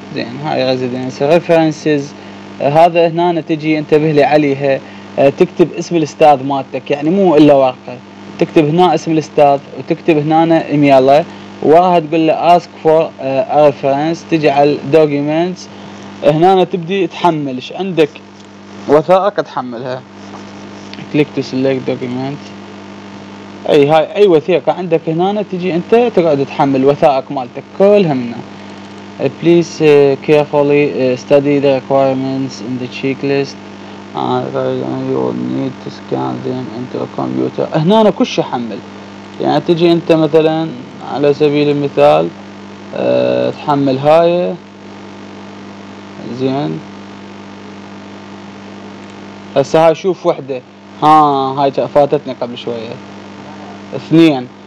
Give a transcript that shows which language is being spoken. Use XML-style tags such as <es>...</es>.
<ar>زين هاي</ar> <en>residence references.</en> <ar>هذا هنا تجي انتبه لي عليها، تكتب اسم الاستاذ مالتك، يعني مو الا ورقة، تكتب هنا اسم الاستاذ وتكتب هنا ايميله، وراها تقول له</ar> <en>ask for a reference،</en> <ar>تجي على documents هنا تبدي تحمل ايش عندك وثائق تحملها،</ar> <en>click to select document،</en> <ar>اي هاي اي وثيقة عندك هنا تجي انت تقعد تحمل وثائق مالتك كلها منها.</ar> <en>Please carefully study the requirements in the checklist. You will need to scan them into a computer.</en> <ar>هنا أنا كل شيء حمل. يعني تجي أنت مثلاً على سبيل المثال تحمل هاي. زين. هسه هاي شوف واحدة. ها هاي فاتتني قبل شوية. اثنين.</ar>